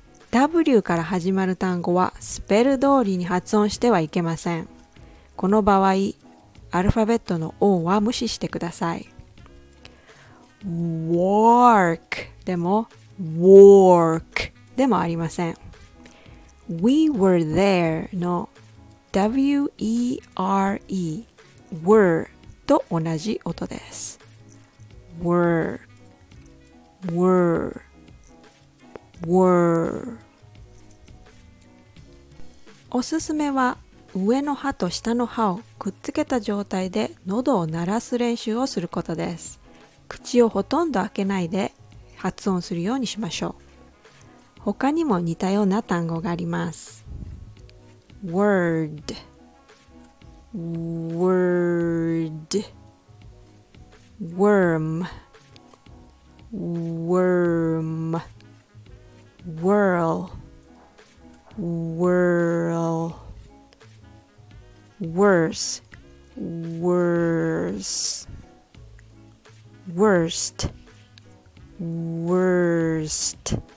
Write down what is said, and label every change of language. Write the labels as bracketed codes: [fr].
[ja] W から始まる単語はスペル通りに発音してはいけません。この場合、アルファベットの O は無視してください。 workでも、work でもありません。 [en] We were there [ja] の [en] were were [ja] と同じ音です。 [en] were were were [ja] おすすめは上の歯と下の歯をくっつけた状態で喉を鳴らす練習をすることです。口をほとんど開けないで発音するようにしましょう。他にも似たような単語があります。 [en] word word worm worm whirl whirl worse worse worst worst